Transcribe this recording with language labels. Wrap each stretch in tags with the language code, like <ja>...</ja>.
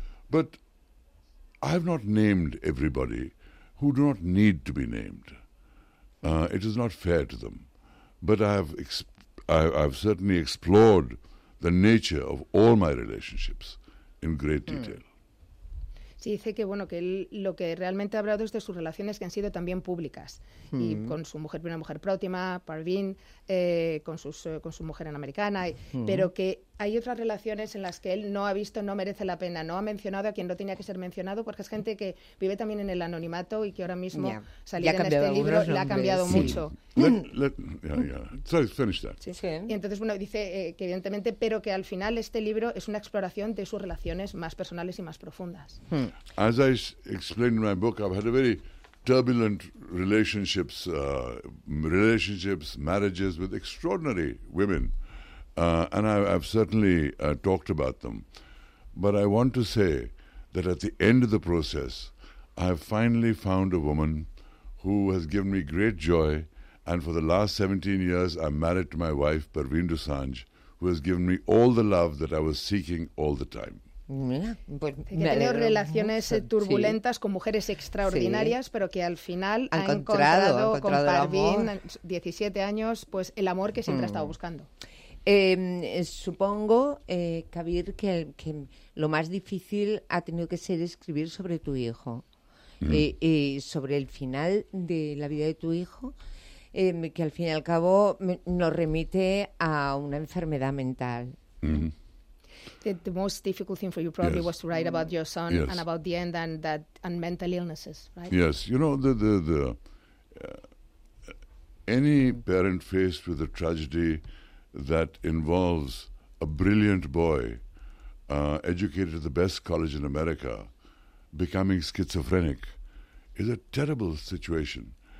<en>But I have not named everybody who do not need to be named. It is not fair to them. But I have certainly explored the nature of all my relationships in great detail.</en> <es>Sí, dice que bueno, que él lo que realmente ha hablado es de sus relaciones que han sido también públicas. Y con su mujer, una mujer próxima, Parvin, con su mujer en americana, pero que hay otras relaciones en las que él no ha visto, no merece la pena, no ha mencionado a quien no tenía que ser mencionado, porque es gente que vive también en el anonimato y que ahora mismo salir en este libro le ha cambiado mucho.</es> <en>Let's finish that.</en> <es>Sí, sí. Y entonces, bueno, dice que evidentemente, pero que al final este libro es una exploración de sus relaciones más personales y más profundas.</es> <en>As I explained in my book, I've had a very turbulent relationships, marriages with extraordinary women. And I've certainly talked about them. But I want to say that at the end of the process, I have finally found a woman who has given me great joy. And for the last 17 years, I'm married to my wife, Parveen Dosanjh, who has given me all the love that I was seeking all the time.</en> <es>Mira, pues he tenido relaciones turbulentas con mujeres extraordinarias, pero que al final ha encontrado con Parveen, 17 años, pues el amor que siempre ha estado buscando. Supongo, Kabir, que lo más difícil ha tenido que ser escribir sobre tu hijo, sobre el final de la vida de tu hijo, que al fin y al cabo nos remite a una enfermedad mental.</es> <en>The most difficult thing for you probably was to write about your son and about the end and that and mental illnesses, right? Yes, you know, any parent faced with a tragedy that involves a brilliant boy educated at the best college in America becoming schizophrenic is a terrible situation.</en>